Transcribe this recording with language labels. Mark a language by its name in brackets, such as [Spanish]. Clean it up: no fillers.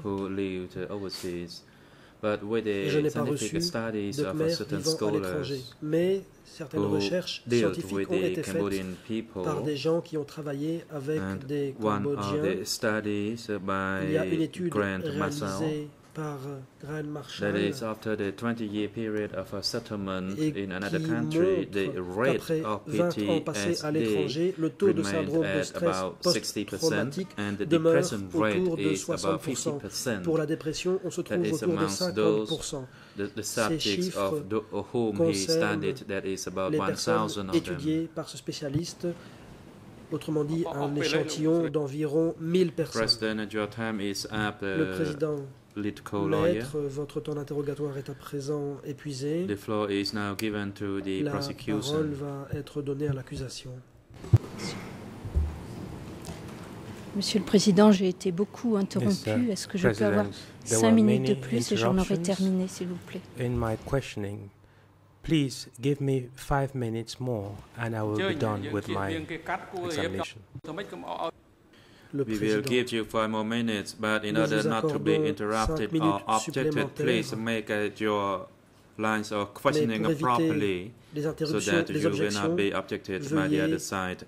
[French] je n'ai pas reçu de Khmer vivant à l'étranger, mais certaines recherches scientifiques ont été faites par des gens qui ont travaillé avec des Cambodgiens. Il y a une étude réalisée par Grand Marshall, [English] that is after the 20-year period of a settlement in another country, the rate of PTSD remained at about 60%, and the depression rate is about 50%. [French] Pour la dépression, on se trouve autour de 50%. [English] The subjects of whom he studied, that is about 1,000 of them. [French] Étudiés par ce spécialiste. Autrement dit, un échantillon d'environ 1000 personnes. Le président, maître, votre temps d'interrogatoire est à présent épuisé. [English] The floor is now given to the prosecution. [French] La parole va être donnée à l'accusation. Monsieur le Président, j'ai été beaucoup interrompu. Est-ce que je peux avoir 5 minutes de plus et j'en aurai terminé, s'il vous plaît? [English] In my questioning. Please give me 5 minutes more and I will be done with my examination. We will give you 5 more minutes, but in order not to be interrupted or objected, please make your lines of questioning properly so that you will not be objected by the other side.